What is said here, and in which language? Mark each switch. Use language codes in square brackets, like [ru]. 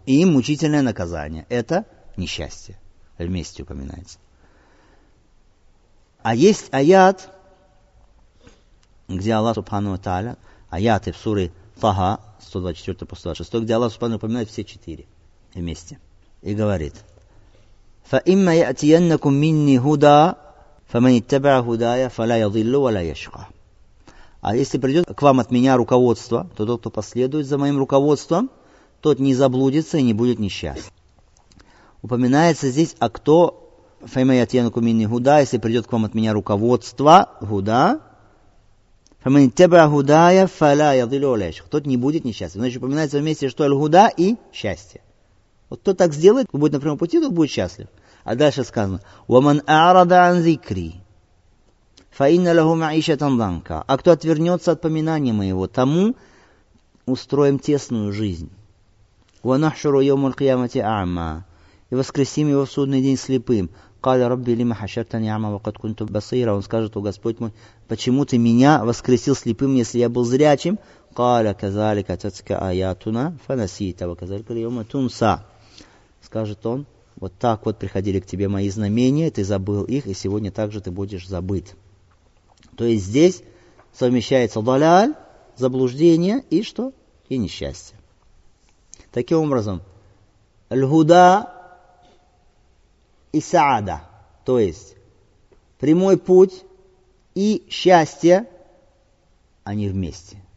[ru] И им мучительное наказание. Это несчастье. Вместе упоминается. А есть аят, где Аллах Субхану ва Тааля, аяты в суре Таха, 124 по 126, где Аллах Субхану упоминает все четыре вместе. И говорит: [ar] فَإِمَّا يَأْتِيَنَّكُم مِّنِّي هُدَى فَمَن يَتَّبِعْ هُدَايَ فَلَا يَضِلُّ وَلَا يَشْقَى. [ru] А если придет к вам от меня руководство, то тот, кто последует за моим руководством, тот не заблудится и не будет несчастен. Упоминается здесь, а кто [ar] فَإِمَّا يَأْتِيَنَّكُم مِّنِّي هُدَى, [ru] если придет к вам от меня руководство, [ar] هُدَى, فَمَن يَتَّبِعْ هُدَايَ فَلَا يَضِلُّ وَلَا يَشْقَى, [ru] тот не будет несчастен. Значит, упоминается вместе, что аль-худа и счастье. Вот кто так сделает, будет на прямом пути, тот будет счастлив. А дальше сказано: [ar] وَمَنْ أَعْرَضَ عَنْ ذِكْرِي فَإِنَّ لَهُ مَعِيشَةً ضَنكًا. [ru] А кто отвернется от поминания моего, тому устроим тесную жизнь. [ar] وَنَحْشُرُ يَوْمَ الْقِيَامَةِ أَعْمَى. [ru] И воскресим его в судный день слепым. [ar] قَالَ رَبِّ لِمَ حَشَرْتَنِي أَعْمَى وَقَدْ كُنْتُ بَصِيرًا. [ru] Он скажет: о Господь мой, почему ты меня воскресил слепым, если я был зрячим? [ar] قال كذلك تتك آياتنا فنسيت وكذلك اليوم تنسى. [ru] Скажет он: вот так вот приходили к тебе мои знамения, ты забыл их, и сегодня также ты будешь забыт. То есть здесь совмещается далаль, заблуждение и что? И несчастье. Таким образом, льгуда и саада, то есть прямой путь и счастье, они вместе.